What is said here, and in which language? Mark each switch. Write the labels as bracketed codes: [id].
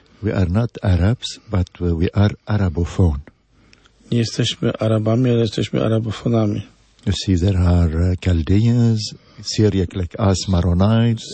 [en] We are not Arabs, but we are Arabophone. [pl] Nie jesteśmy Arabami, ale jesteśmy Arabofonami. [en] You see, there are Chaldeans, Syriac like us, Maronites,